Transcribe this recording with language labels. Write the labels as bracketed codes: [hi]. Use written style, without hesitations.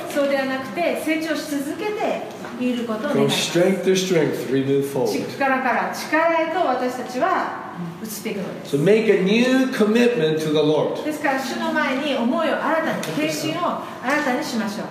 [ja] そうではなくて成長し続けて。 [en] From strength to strength, renew forward. [ja] 力から力へと私たちは移っていくのです。 [en] So make a new commitment to the Lord. [ja] ですから主の前に思いを新たに、決心を新たにしましょう。